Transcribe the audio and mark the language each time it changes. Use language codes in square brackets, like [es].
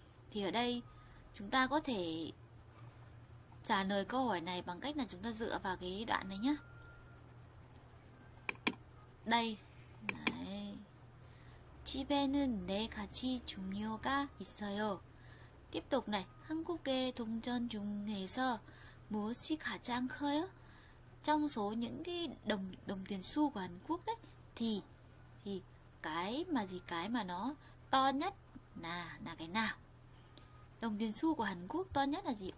[vi] Thì ở đây chúng ta có thể trả lời câu hỏi này bằng cách là chúng ta dựa vào cái đoạn này nhá. Đây. [ko] 지폐는 네 가지 종류가 있어요. [vi] Tiếp tục này, [ko] 한국의 동전 중에서 무엇이 가장 커요? [vi] Trong số những cái đồng tiền xu của Hàn Quốc đấy thì cái mà nó to nhất là cái nào? Đồng tiền xu của Hàn Quốc to nhất là gì?